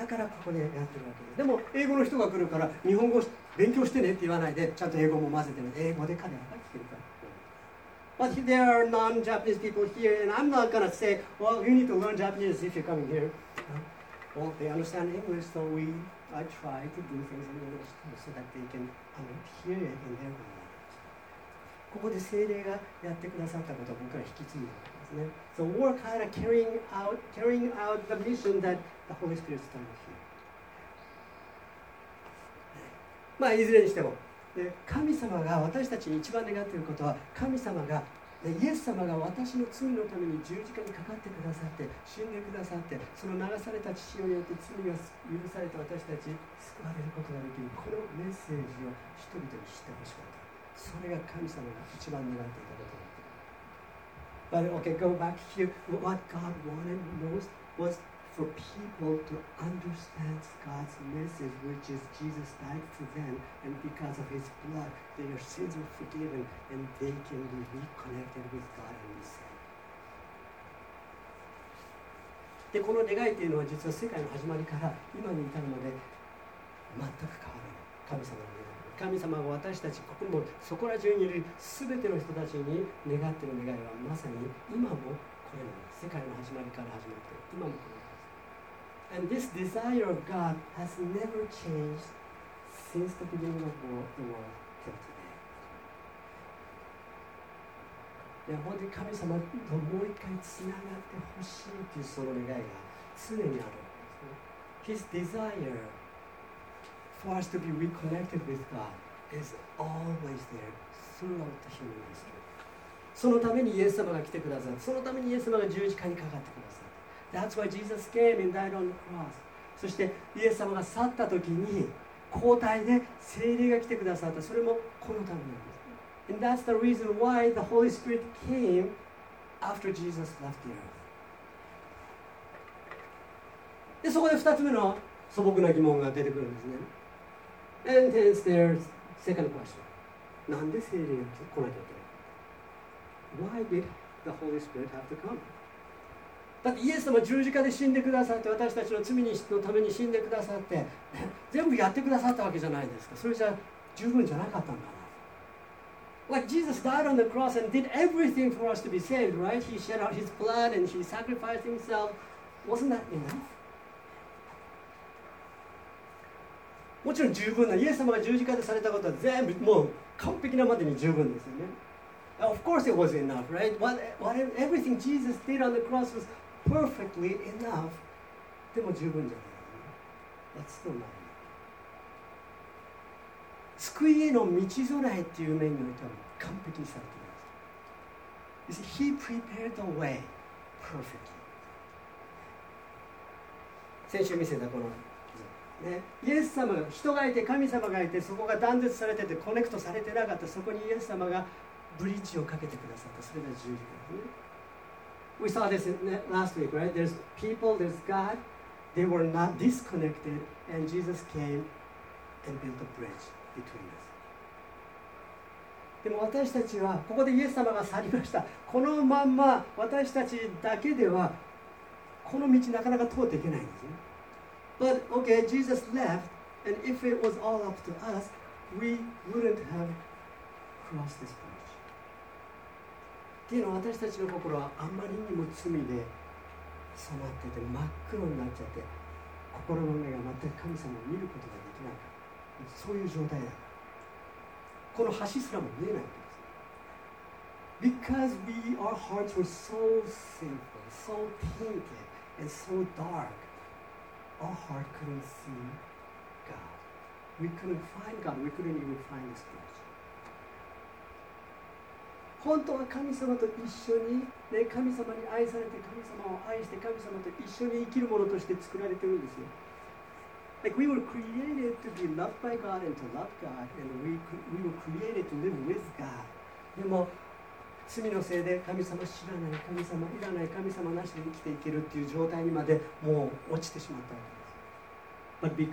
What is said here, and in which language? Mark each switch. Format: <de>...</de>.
<ja>だからここでやってるわけです。でも英語の人が来るから日本語勉強してねって言わないで、ちゃんと英語も混ぜてね。英語で彼らが聞けるから。</ja> <en>But there are non-Japanese people here, and I'm not gonna say, well, you need to learn Japanese if you're coming here. Well, they understand English, so we. I try to do things in English too, so that they can hear it in their own language.</en> <ja>ここで聖霊がやってくださったことを僕は引き継いだんですね。</ja> <en>So we're kind of carrying out the mission that the Holy Spirit started here.</en> <ja>まあいずれにしても、神様が私たちに一番願っていることは、神様がイエス様が私の罪のために十字架にかかってくださって死んでくださって、その流された血潮によって罪が許された私たち救われることができる、このメッセージを人々に知ってほしかった。それが神様が一番願っていたことだった。</ja> <en>But okay, go back here. What God wanted most was for people to understand God's message, which is Jesus died for them, and because of His blood, their sins are forgiven, and they can be reconnected with God and be saved.</en> <ja>で、この願いというのは実は世界の始まりから今に至るまで全く変わらない神様の願い。神様は私たち、ここもそこら中にいる全ての人たちに願っている願いはまさに今もこれなんです。世界の始まりから始まって今もこれ。</ja> <en>And this desire of God has never changed since the beginning of the world till today.</en> <ja>で、本当に神様ともう一回つながってほしいというその願いが常にあるんですね。</ja> <en>His desire for us to be reconnected with God is always there throughout the human history.</en> <ja>そのためにイエス様が来てくださる。そのためにイエス様が十字架にかかってくださる。</ja> <en>That's why Jesus came and died on the cross.</en> <ja>そしてイエス様が去った時に交代で聖霊が来てくださった。それもこのためなんです。</ja> <en>And that's the reason why the Holy Spirit came after Jesus left the earth.</en> <ja>で、そこで二つ目の素朴な疑問が出てくるんですね。</ja> <en>And hence there's second question.</en> <ja>なんで聖霊が来なきゃいけない。</ja> <en>Why did the Holy Spirit have to come?</en> <ja>だってイエス様十字架で死んでくださって、私たちの罪のために死んでくださって、全部やってくださったわけじゃないですか。それじゃ十分じゃなかったんだな。</ja> <en>Like Jesus died on the cross and did everything for us to be saved, right? He shed out his blood and he sacrificed himself. Wasn't that enough?</en> <ja>もちろん十分な、イエス様が十字架でされたことは全部もう完璧なまでに十分ですよね。</ja> <en>Of course it was enough, right? Everything Jesus did on the cross was perfectly enough.</en> <ja>でも十分じゃない。</ja> <en>That's still not enough.</en> <ja>救いへの道ぞらえっていう面においては完璧にされています。</ja> <en>You see, He prepared the way perfectly.</en> <ja>先週見せたこの、ね、イエス様、人がいて神様がいて、そこが断絶されててコネクトされてなかった、そこにイエス様がブリッジをかけてくださった。それが十字架ですね。</ja> <en>We saw this last week, right? There's people, there's God, They were not disconnected, and Jesus came and built a bridge between us.</en> <ja>でも私たちはここでイエス様が去りました。このまんま私たちだけではこの道なかなか通っていけないんですね。</ja> <en>But okay, Jesus left, and if it was all up to us, we wouldn't have crossed this bridge.</en> <ja>っていうのは私たちの心はあまりにも罪で染まってて真っ黒になっちゃって、心の目が全く神様を見ることができない、そういう状態だ。この橋すらも見えないんです。</ja> <en>Because we, our hearts were so sinful, so tainted, and so dark, our heart couldn't see God. We couldn't find God. We couldn't even find this bridge.</en> <ja>本当は神様と一緒に、ね、神様に愛されて、神様を愛して、神様と一緒に生きるものとして作られてるんですよ。</ja> <en>Like we were created to be loved by God and to love God, and we were created to live with God.</en> <ja>でも罪のせいで神様知らない、神様いらない、神様なしで生きていけるっていう状態にまでもう落ちてしまったわけです。</ja>